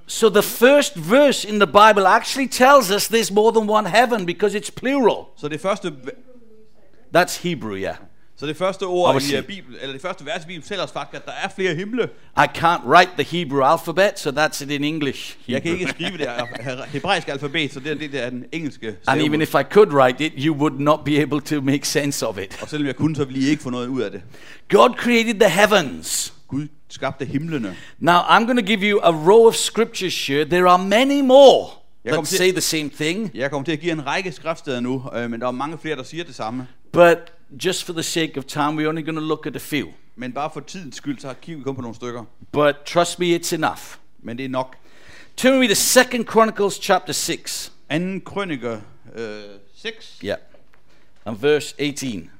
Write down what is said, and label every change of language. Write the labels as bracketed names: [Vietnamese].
[English] So the first verse in the Bible actually tells us there's more than one heaven because it's plural. So the first. That's Hebrew, yeah. [Danish] Så det første ord obviously, i Bibel, eller det første vers i Bibelen fortæller os faktisk, at der er flere himle. [English] I can't write the Hebrew alphabet, so that's it in English. Hebrew. [Danish] Jeg kan ikke skrive det hebraiske alfabet, så det er den engelske. Stavmål. [English] And even if I could write it, you would not be able to make sense of it. [Danish] Og selvom jeg kunne, så ville I ikke få noget ud af det. [English] God created the heavens. [Danish] Gud skabte himlene. [English] Now I'm going to give you a row of scriptures here. There are many more. Let's say the same thing. [Danish] Jeg kommer til at give en række skriftsteder nu, men der er mange flere, der siger det samme. [English] But just for the sake of time, we're only going to look at a few. [Danish] Men bare for tidens skyld, så kigger vi kun på nogle stykker. [English] But trust me, it's enough. [Danish] Men det er nok. [English] Turn with me to 2 Chronicles chapter 6. [Danish] 2 Krøniker 6. [English] Yeah. And verse 18.